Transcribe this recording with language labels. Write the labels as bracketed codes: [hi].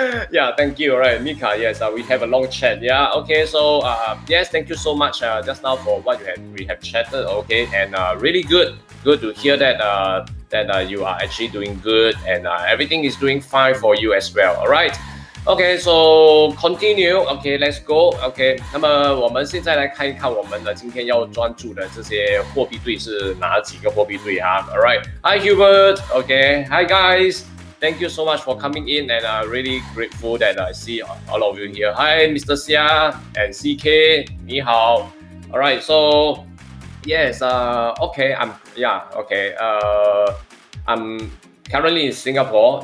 [en] Yeah, thank you. All right, Mika, yes, we have a long chat. Yeah, okay, so yes, thank you so much just now for what we have chatted. Okay, and really good to hear that you are actually doing good and everything is doing fine for you as well. All right, okay, so continue. Okay, let's go. [zh] Okay, 那么我们现在来看一看我们的今天要专注的这些货币对是哪几个货币对啊。 [en] All right, hi Hubert. Okay, hi guys. Thank you so much for coming in, and I'm really grateful that I see all of you here. Hi Mr. Xia and CK, [zh] 你好。 [en] All right, so yes, I'm currently in Singapore.